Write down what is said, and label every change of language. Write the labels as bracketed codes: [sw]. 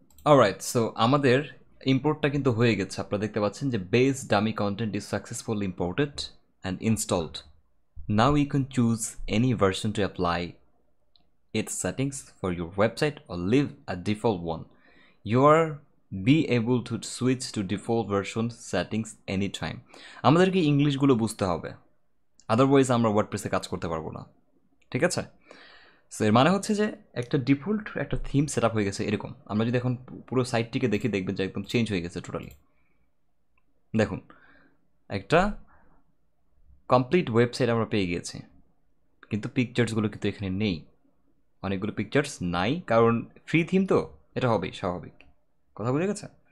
[bn] Alright, so আমাদের ইম্পোর্টটা কিন্তু হয়ে গেছে। আপনারা দেখতে পাচ্ছেন যে base dummy content is successfully imported and installed, [en] Now you can choose any version to apply its settings for your website or leave a default one. You are be able to switch to default version settings anytime. [bn] আমাদেরকে ইংলিশগুলো বুঝতে হবে, otherwise আমরা ওয়ার্ডপ্রেসে কাজ করতে পারবো না, ঠিক আছে? সো এর মানে হচ্ছে যে একটা ডিফল্ট একটা থিম সেট আপ হয়ে গেছে এরকম। আমরা যদি এখন পুরো সাইটটিকে দেখি, দেখবেন যে একদম চেঞ্জ হয়ে গেছে টোটালি। দেখুন একটা কমপ্লিট ওয়েবসাইট আমরা পেয়ে গিয়েছি, কিন্তু পিকচার্সগুলো কিন্তু এখানে নেই, অনেকগুলো পিকচার্স নাই, কারণ ফ্রি থিম তো এটা হবেই, স্বাভাবিক, কথা বুঝে গেছে?